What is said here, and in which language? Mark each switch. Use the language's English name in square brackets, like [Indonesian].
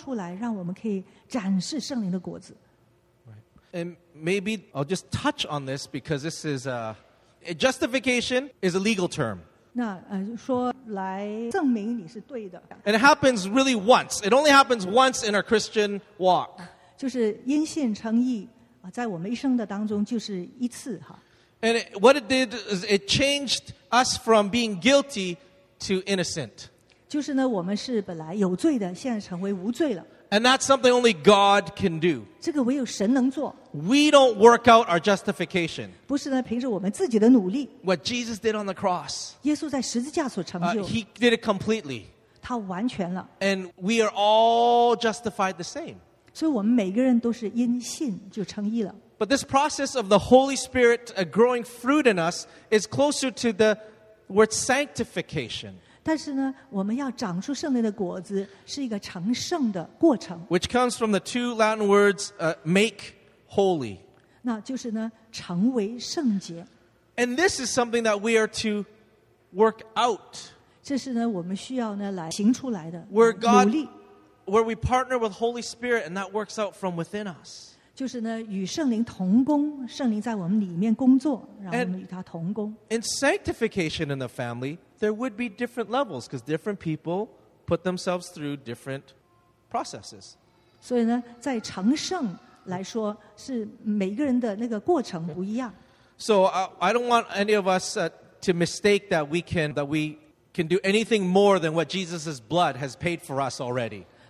[Chinese] 那这些是属世界的，那神是把我们从世界呼召出来，让我们可以展示圣灵的果子。 [English] Right. And maybe I'll just touch on this because this is justification is a legal term. [Chinese] 那说来证明你是对的。 [English] And it happens really once. It only happens once in our Christian walk. [Chinese] 就是因信称义，在我们一生的当中就是一次哈。 [English] And what it did is it changed us from being guilty to innocent. [Chinese] 就是呢，我们是本来有罪的，现在成为无罪了。 [English] And that's something only God can do. [Chinese] 这个唯有神能做。 [English] We don't work out our justification. [Chinese] 不是呢，凭着我们自己的努力。 [English] What Jesus did on the cross. [Chinese] 耶稣在十字架所成就。 [English] He did it completely. [Chinese] 他完全了。 [English] And we are all justified the same. [Chinese] 所以我们每个人都是因信就称义了。 [English] But this process of the Holy Spirit growing fruit in us is closer to the word sanctification. [Chinese] 但是呢,我们要长出圣灵的果子是一个成圣的过程。 [English] Which comes from the two Latin words, make holy. [Chinese] 那就是呢,成为圣洁。 [English] And this is something that we are to work out. [Chinese] 这是呢,我们需要呢,来行出来的, [English] where God, where we partner with Holy Spirit and that works out from within us. [Chinese] 就是呢,与圣灵同工, 圣灵在我们里面工作, 让我们与他同工。 [English] And sanctification in the family, there would be different levels because different people put themselves through different processes. [Chinese] 所以呢, 在成圣来说, 是每个人的那个过程不一样。 [English] So I don't want any of us to mistake that we can do anything more than what Jesus' blood has paid for us already.